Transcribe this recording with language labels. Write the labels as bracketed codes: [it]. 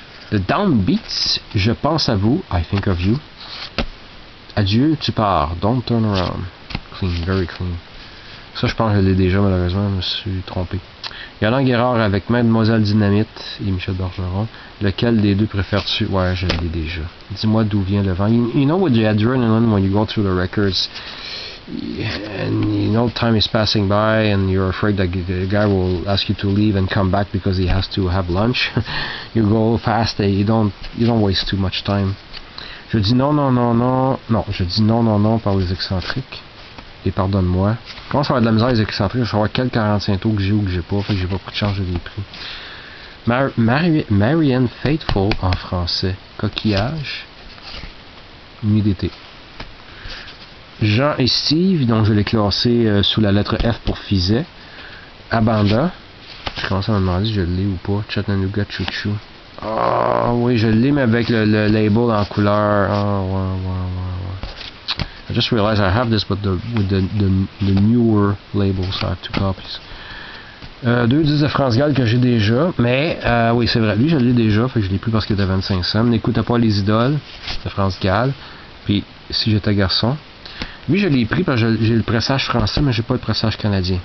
[en] The Downbeats, je pense à vous. I think of you. Adieu, tu pars. Don't turn around. Clean, very clean. [fr] Ça, je pense que je l'ai déjà, malheureusement, je me suis trompé. Yolande Guérard avec Mademoiselle Dynamite et Michel Bergeron. Lequel des deux préfères-tu? Ouais, je l'ai déjà. Dis-moi d'où vient le vent. [en] You know what the adrenaline when you go through the records? And you know time is passing by and you're afraid that the guy will ask you to leave and come back because he has to have lunch. You go fast and you don't waste too much time. [fr] Je dis non. Je dis non par les excentriques. Et pardonne-moi. Je commence à avoir de la misère les excentriques. Je vais savoir quel 45 taux que j'ai ou que j'ai pas. Fait que j'ai pas beaucoup de chance de les prix. Marianne Faithful en français. Coquillage. Nuit d'été. Jean et Steve, dont je l'ai classé sous la lettre F pour Fizet. Abanda. Je commence à me demander si je l'ai ou pas. Chattanooga Chouchou. Ah, oui, je l'ai, mais avec le label en couleur. Ah, ouais. [en] I just realized I have this, but with the newer labels, I have two copies. [fr] Deux disques de France Gall que j'ai déjà, mais oui, c'est vrai, lui, je l'ai déjà, fait que je l'ai plus parce qu'il était 25 cents. N'écoutez pas les idoles de France Gall. Puis, si j'étais garçon. Lui, je l'ai pris parce que j'ai le pressage français, mais j'ai pas le pressage canadien.